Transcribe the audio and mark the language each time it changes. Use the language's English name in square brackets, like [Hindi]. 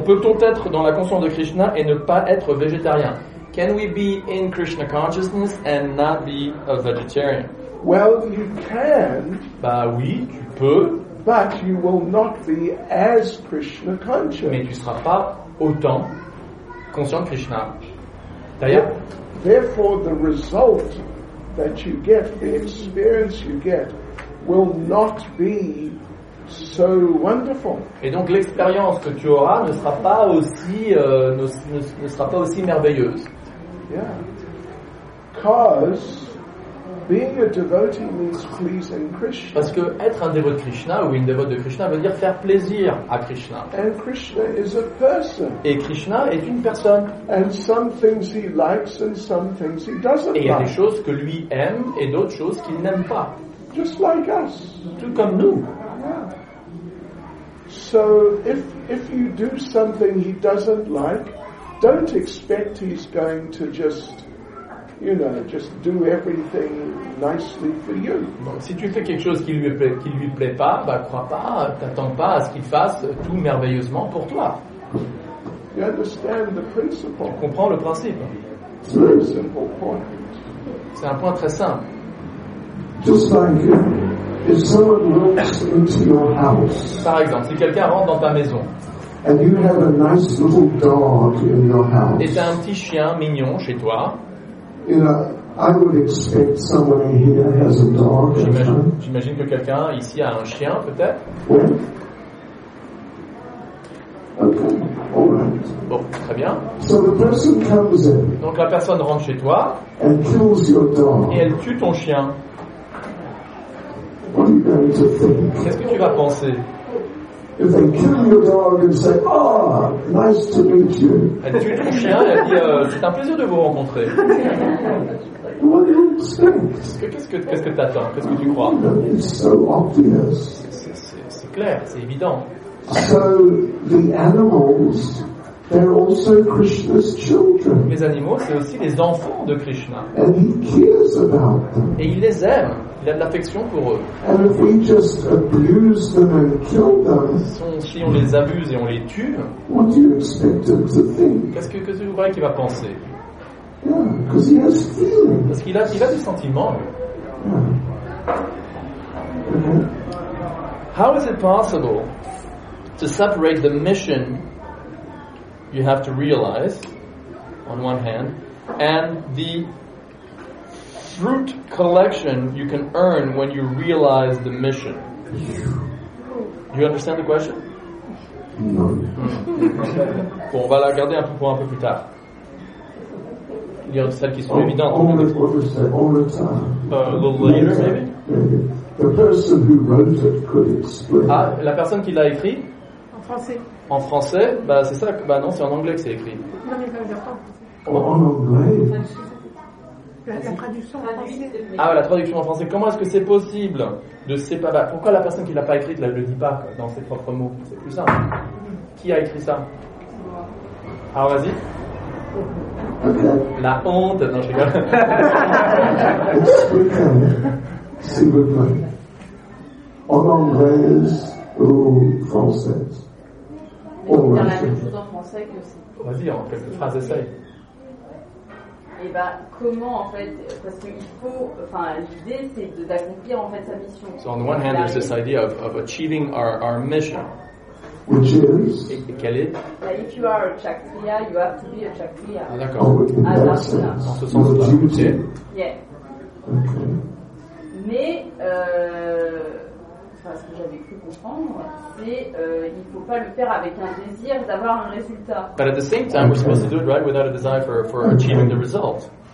[French] Peut-on être dans la conscience de Krishna et ne pas être végétarien? [English] Can we be in Krishna consciousness and not be a vegetarian? Well, you can. [French] Bah oui, tu peux. [English] But you will not be as Krishna conscious. [French] Mais tu ne seras pas autant conscient de Krishna. D'ailleurs, [English] therefore the result that you get, the experience you get, will not be so wonderful. [French] Et donc l'expérience que tu auras ne sera pas aussi ne sera pas aussi merveilleuse. [English] Yeah. Because being a devotee means pleasing Krishna. [French] Parce que être un dévot de Krishna ou une dévote de Krishna veut dire faire plaisir à Krishna. [English] And Krishna is a person. [French] Et Krishna est une personne. [English] And some things he likes and some things he doesn't like. [French] Et il y a des choses que lui aime et d'autres choses qu'il n'aime pas. [English] Just like us. [French] Tout comme nous. [English] So if you do something he doesn't like, don't expect he's going to just, you know, just do everything nicely for you. [French] Donc, si tu fais quelque chose qui lui plaît pas, bah crois pas, t'attends pas à ce qu'il fasse tout merveilleusement pour toi. [English] You understand the principle. [French] Tu comprends le principe. [English] It's a very simple point. [French] C'est un point très simple. [English] Just like if someone walks into your house. [French] Par exemple, si quelqu'un rentre dans ta maison. [English] And you have a nice little dog in your house. [French] Et t'as un petit chien mignon chez toi. [English] You know, I would expect someone here has a dog. [French] J'imagine que quelqu'un ici a un chien, peut-être. [English] When? Okay, all right. [French] Bon, très bien. [English] So the person comes in. [French] Donc la personne rentre chez toi. [English] And kills your dog. [French] Et elle tue ton chien. [English] What are you going to think? [French] Qu'est-ce que tu vas penser? [English] If they kill your dog and say, "Ah, oh, nice to meet you." [French] Elle tue ton chien et dit, c'est un plaisir de vous rencontrer. [English] What do you expect? [French] Qu'est-ce que t'attends? Qu'est-ce que tu crois? [English] It's so obvious. [French] C'est clair, c'est évident. [English] So the animals, they're also Krishna's children. [French] Les animaux, c'est aussi les enfants de Krishna. [English] And he cares about them. [French] Et il les aime. Il a de l'affection pour eux. [English] And if we just abuse them and kill them, [French] si on les abuse et on les tue, [English] what do you expect them to think? [French] Qu'est-ce que vous croyez qu'il va penser? [English] Yeah, 'cause he has feelings. [French] Parce qu'il a des sentiments. [English] Yeah. Mm-hmm. How is it possible to separate the mission you have to realize on one hand and the fruit collection you can earn when you realize the mission? You understand the question? No. [French] Bon, on va la garder pour un peu plus tard. Il y a celles qui sont évidentes. [English] A little later, maybe. The person who wrote it could explain. [French] Ah, la personne qui l'a écrit? En français? Bah, c'est ça. Bah non, c'est en anglais que c'est écrit. Non, mais ça veut dire pas en français. En anglais. La traduction en français. Ah, la traduction en français. Comment est-ce que c'est possible de séparer? Pourquoi la personne qui l'a pas écrite, elle le dit pas quoi, dans ses propres mots? C'est plus simple. Qui a écrit ça? Alors vas-y. Okay. La honte. Non, je rigole. S'il vous plaît. En anglais ou français? Donc, la même chose en français que. Vas-y, en quelques phrases, essaye. Et bah, comment en fait, parce qu'il faut, enfin, l'idée c'est d'accomplir en fait sa mission. [English] So on the one hand, there's this idea of achieving our mission. Which is? [French] Et quel est? [English] Bah, if you are a Kshatriya, you have to be a Kshatriya. [French] Ah, d'accord. Dans ce sens-là. [English] Yeah. Okay. [French] Mais, ce que j'avais cru comprendre, c'est il ne faut pas le faire avec un désir d'avoir un résultat. [English] But at the same time, we're supposed to do it right without a desire for achieving the result.